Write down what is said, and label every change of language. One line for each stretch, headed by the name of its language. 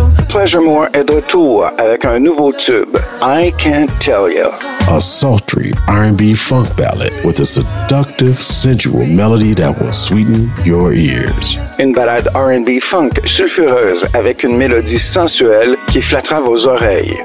French: Pleasure More est de retour avec un nouveau tube, I Can't Tell Ya.
English: A sultry R&B funk ballad with a seductive, sensual melody that will sweeten your ears.
French: Une balade R&B funk sulfureuse avec une mélodie sensuelle qui flattera vos oreilles.